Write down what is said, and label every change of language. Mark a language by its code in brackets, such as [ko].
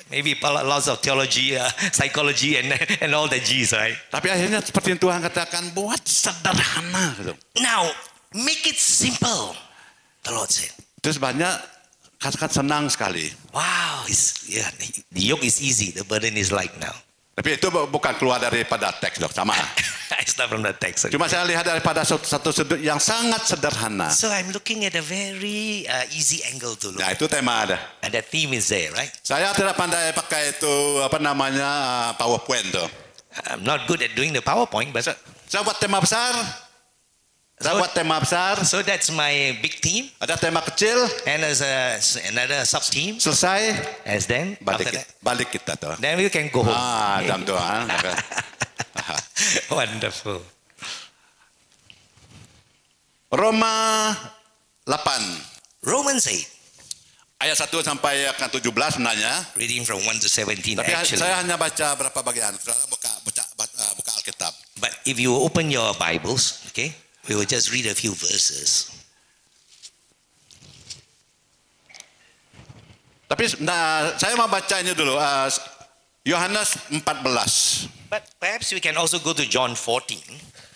[en] Maybe lots of theology, psychology, and all that jeez, right? [id] Tapi akhirnya seperti yang Tuhan katakan, buat sederhana. [en] Now, make it simple, the Lord said. [id] Terus banyak kata-kata senang sekali. [en] Wow, the yoke is easy, the burden is light now. [id] Tapi itu bukan keluar daripada teks, dok, sama. [en] It's not from the text. [id] Cuma saya lihat daripada satu sudut yang sangat sederhana. [en] So I'm looking at a very easy angle to look. [id] Nah, itu tema ada. [en] And the theme is there, right? [id] Saya tidak pandai pakai itu apa namanya PowerPoint tuh. [en] I'm not good at doing the PowerPoint, but [id] saya buat tema besar. Saya buat tema besar. [en] So that's my big theme. [id] Ada tema kecil. [en] And as another sub theme. [id] Selesai. [en] As then [id] balik kita tuh. [en] Then we can go home. [id] Ah, dalam doa. [en] Wonderful. [id] Roma 8. [en] Romans 8. [id] Ayat 1 sampai ayat 17 sebenarnya. [en] Reading from 1 to 17 [id] tapi [en] actually. [id] Saya hanya baca berapa bagian. Saya buka Alkitab. [en] But if you open your Bibles, okay, we will just read a few verses. [id] Tapi nah, saya mau baca ini dulu. Yohanes 14. [en] But perhaps we can also go to John 14.